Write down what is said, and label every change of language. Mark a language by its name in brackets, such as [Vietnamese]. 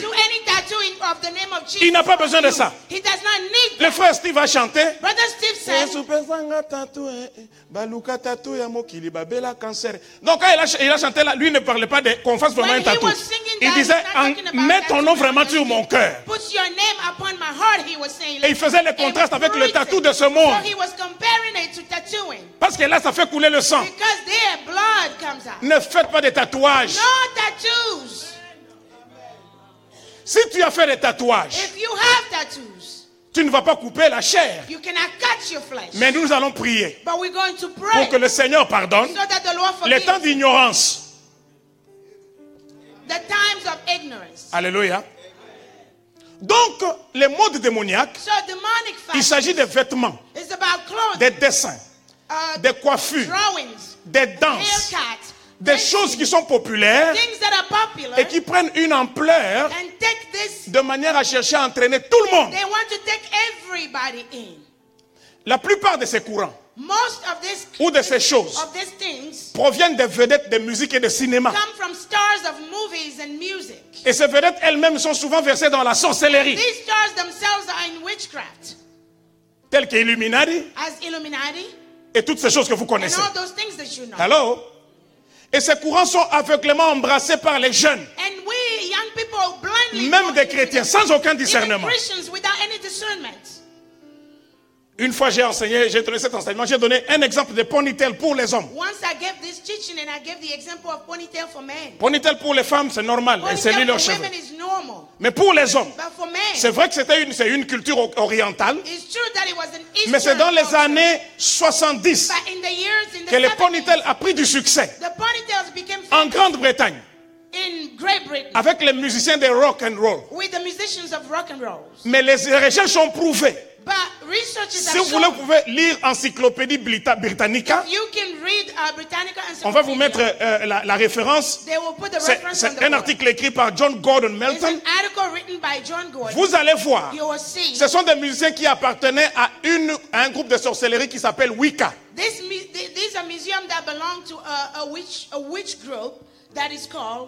[English] Don't do any tattooing of the name of Jesus. [French] Il n'a pas besoin de ça. [English] He does not need that. [French] Le frère Steve a chanté. [English] Brother Steve said. [Lingala] Yesu pesa nga tatou baluka tatou ya mokili babela cancer. [French] Donc quand il a chanté là, lui ne parlait pas de qu'on fasse vraiment [English] when [French] un tatou. Il disait, mets ton nom vraiment sur mon cœur. [English] Put your name upon my heart, he was saying. [French] Et il faisait le contraste avec le tatou de ce monde. [English] So he was comparing it to tattooing. [French] Parce que là, ça fait couler le sang. [English] Because there blood comes out. [French] Ne faites pas de tatouages. [English] No tattoos. [French] Si tu as fait des tatouages, [English] if you have tattoos, [French] tu ne vas pas couper la chair. [English] You cannot cut your flesh. [French] Mais nous allons prier. [English] But we're going to pray [French] pour que le Seigneur pardonne [English] so that the Lord forgives [French] les temps d'ignorance. [English] The times of ignorance. [French] Alléluia. Donc, les modes démoniaques, [English] so demonic fashion, [French] il s'agit de vêtements, [English] it's about clothing, [French] des dessins, des coiffures, [English] drawings, [French] des danses, [English] haircuts, [French] des choses qui sont populaires, [English] things that are popular, [French] et qui prennent une ampleur [English] and take this, [French] de manière à chercher à entraîner tout le monde. [English] They want to take everybody in. [French] La plupart de ces courants, [English] most of this, [French] ou de ces choses, [English] of these things, [French] proviennent des vedettes de musique et de cinéma. [English] Come from stars of movies and music. [French] Et ces vedettes elles-mêmes sont souvent versées dans la sorcellerie. [English] These stars themselves are in witchcraft. [French] Telles qu'Illuminati, [English] as Illuminati, [French] et toutes ces choses que vous connaissez. [English] And all those things that you know. Hello? [French] Et ces courants sont aveuglément embrassés par les jeunes. [English] And we, young people, blindly, [French] même des chrétiens, sans aucun discernement. [English] Even Christians without any discernment. [French] Une fois j'ai enseigné, j'ai donné cet enseignement, j'ai donné un exemple de ponytail pour les hommes. [English] Once I gave this teaching and I gave the example of ponytail for men. [French] Ponytail pour les femmes, c'est normal, [English] ponytail [French] elles s'élient leurs cheveux. Mais pour les hommes, [English] but for men, [French] c'est vrai que c'était une, c'est une culture orientale. [English] It's true that it was an Eastern, [French] mais c'est dans les années 70 [English] in the years, in the [French] que le ponytail a pris du succès. [English] The ponytails became [French] famous en Grande-Bretagne. [English] In Great Britain, [French] avec les musiciens de rock and roll. [English] With the musicians of rock and roll. [French] Mais les recherches ont prouvé. [English] But research is [French] si vous voulez, vous pouvez lire Encyclopédie Britannica. [English] You can read, Britannica. [French] On va vous mettre la référence. [English] They will put the [French] c'est [English] reference [French] c'est [English] on the [French] un board. Article écrit par John Gordon Melton. [English] It's an article written by John Gordon. [French] Vous allez voir. [English] You will see. [French] Ce sont des musiciens qui appartenaient à un groupe de sorcellerie qui s'appelle Wicca. [English] This is a museum that belongs to a witch group that is called